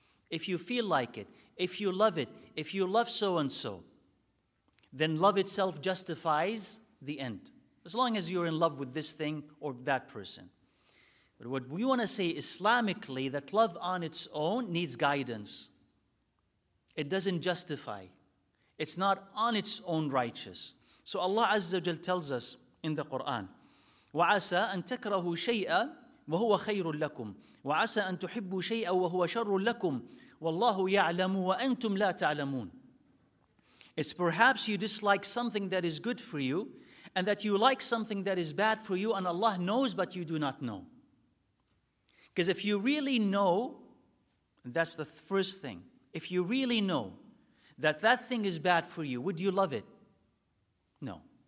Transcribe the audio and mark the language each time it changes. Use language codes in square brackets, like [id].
[en] If you feel like it, if you love it, if you love so-and-so, then love itself justifies the end. As long as you're in love with this thing or that person. But what we want to say Islamically, that love on its own needs guidance. It doesn't justify. It's not on its own righteous. So Allah Azza wa Jal tells us in the Quran, [ar] وَعَسَىٰ أَن تَكْرَهُ شَيْئًا وَهُوَ خَيْرٌ لَكُمْ وَعَسَىٰ أَن تُحِبُّ شَيْئًا وَهُوَ شَرٌ لَكُمْ وَاللَّهُ يَعْلَمُ وَأَنْتُمْ لَا تَعْلَمُونَ. [en] It's perhaps you dislike something that is good for you, and that you like something that is bad for you, and Allah knows but you do not know. Because if you really know, that's the first thing. If you really know that that thing is bad for you, would you love it? No.